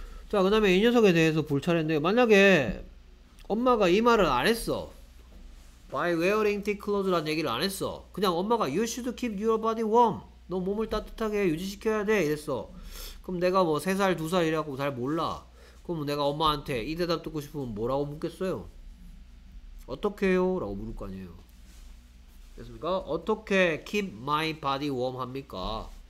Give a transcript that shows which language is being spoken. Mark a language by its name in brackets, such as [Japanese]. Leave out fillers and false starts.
[Korean] 자, 그 다음에 이 녀석에 대해서 볼 차례인데, 만약에 엄마가 이 말을 안 했어. [English] By wearing thick clothes란 [Korean] 얘기를 안 했어. 그냥 엄마가 [English] You should keep your body warm. [Korean] 너 몸을 따뜻하게 유지시켜야 돼. 이랬어. 그럼 내가 뭐 3살, 2살이라고 잘 몰라. 그럼 내가 엄마한테 이 대답 듣고 싶으면 뭐라고 묻겠어요? 어떻게요? 라고 물을 거 아니에요. 됐습니까? 어떻게 [English] keep my body warm [Korean] 합니까?